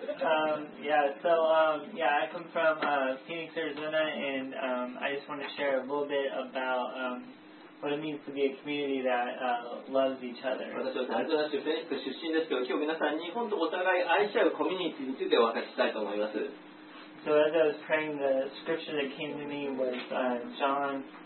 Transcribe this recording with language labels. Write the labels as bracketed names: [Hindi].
[English] I come from Phoenix, Arizona, and I just want to share a little bit about. What it means to be a community that loves each other. [Japanese] 私はアリゾナ州フェニックス出身ですけど、今日皆さん日本とお互い愛し合うコミュニティについてお分かりしたいと思います。 [English] So as I was praying, the scripture that came to me was John